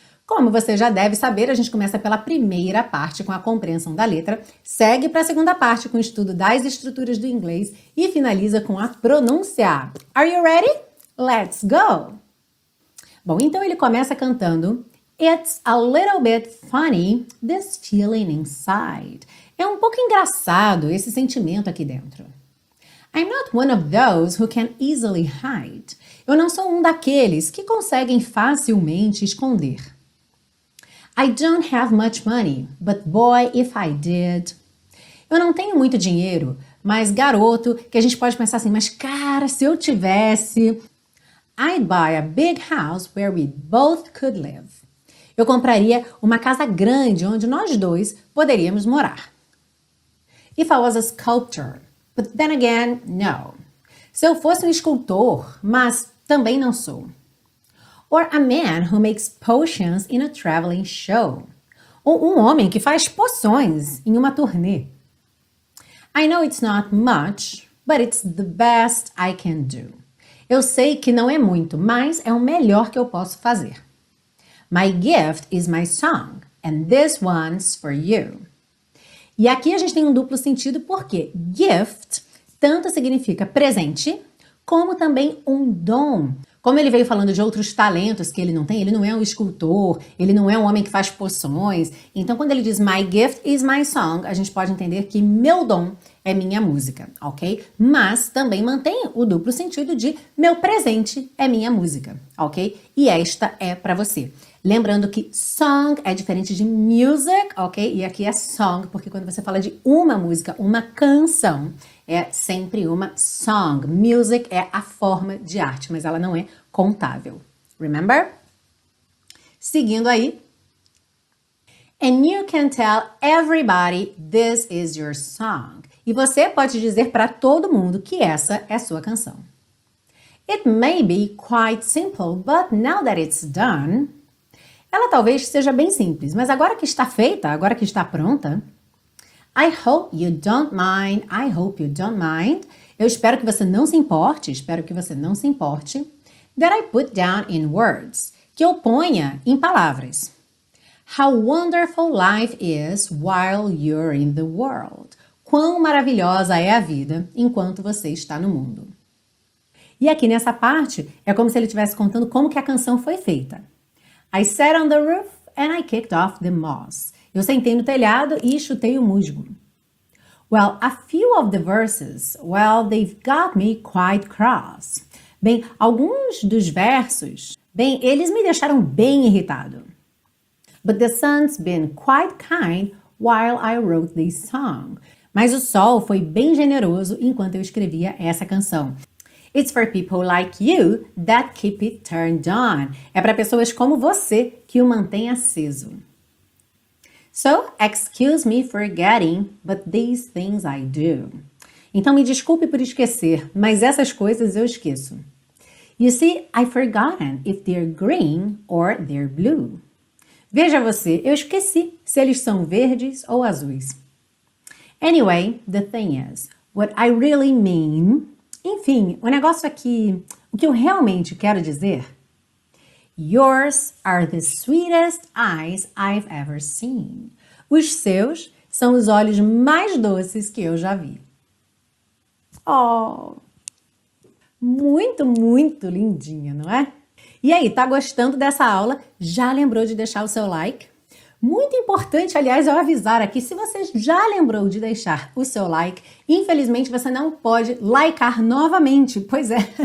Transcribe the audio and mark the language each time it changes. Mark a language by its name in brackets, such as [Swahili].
[Portuguese] Como você já deve saber, a gente começa pela primeira parte com a compreensão da letra, segue para a segunda parte com o estudo das estruturas do inglês e finaliza com a pronúncia. [English] Are you ready? Let's go! [Portuguese] Bom, então ele começa cantando: [English] It's a little bit funny, this feeling inside. [Portuguese] É um pouco engraçado esse sentimento aqui dentro. [English] I'm not one of those who can easily hide. [Portuguese] Eu não sou um daqueles que conseguem facilmente esconder. [English] I don't have much money, but boy, if I did. [Portuguese] Eu não tenho muito dinheiro, mas garoto, que a gente pode pensar assim, mas cara, se eu tivesse. [English] I'd buy a big house where we both could live. [Portuguese] Eu compraria uma casa grande onde nós dois poderíamos morar. [English] If I was a sculptor, but then again, no. [Portuguese] Se eu fosse um escultor, mas também não sou. [English] Or a man who makes potions in a traveling show. [Portuguese] Ou um homem que faz poções em uma turnê. [English] I know it's not much, but it's the best I can do. [Portuguese] Eu sei que não é muito, mas é o melhor que eu posso fazer. [English] My gift is my song, and this one's for you. [Portuguese] E aqui a gente tem um duplo sentido, porque gift tanto significa presente, como também um dom. Como ele veio falando de outros talentos que ele não tem, ele não é um escultor, ele não é um homem que faz poções. Então, quando ele diz [English] my gift is my song, [Portuguese] a gente pode entender que meu dom é minha música, ok? Mas também mantém o duplo sentido de meu presente é minha música, ok? E esta é para você. Lembrando que song é diferente de music, ok? E aqui é song, porque quando você fala de uma música, uma canção, é sempre uma song. Music é a forma de arte, mas ela não é contável. [English] Remember? [Portuguese] Seguindo aí. [English] And you can tell everybody this is your song. [Portuguese] E você pode dizer para todo mundo que essa é sua canção. [English] It may be quite simple, but now that it's done. [Portuguese] Ela talvez seja bem simples, mas agora que está feita, agora que está pronta. [English] I hope you don't mind, I hope you don't mind. [Portuguese] Eu espero que você não se importe, espero que você não se importe. [English] That I put down in words, [Portuguese] que eu ponha em palavras. [English] How wonderful life is while you're in the world. [Portuguese] Quão maravilhosa é a vida enquanto você está no mundo. E aqui nessa parte é como se ele estivesse contando como que a canção foi feita. [English] I sat on the roof and I kicked off the moss. [Portuguese] Eu sentei no telhado e chutei o musgo. [English] Well, a few of the verses, well, they've got me quite cross. [Portuguese] Bem, alguns dos versos, bem, eles me deixaram bem irritado. [English] But the sun's been quite kind while I wrote this song. [Portuguese] Mas o sol foi bem generoso enquanto eu escrevia essa canção. [English] It's for people like you that keep it turned on. [Portuguese] É para pessoas como você que o mantém aceso. [English] So, excuse me for getting, but these things I do. [Portuguese] Então me desculpe por esquecer, mas essas coisas eu esqueço. [English] You see, I've forgotten if they're green or they're blue. [Portuguese] Veja você, eu esqueci se eles são verdes ou azuis. [English] Anyway, the thing is, what I really mean. [Portuguese] Enfim, o negócio aqui, o que eu realmente quero dizer. [English] Yours are the sweetest eyes I've ever seen. [Portuguese] Os seus são os olhos mais doces que eu já vi. Oh, muito, muito lindinha, não é? E aí, tá gostando dessa aula? Já lembrou de deixar o seu like? Muito importante, aliás, eu avisar aqui, se você já lembrou de deixar o seu like, infelizmente você não pode likear novamente. Pois é.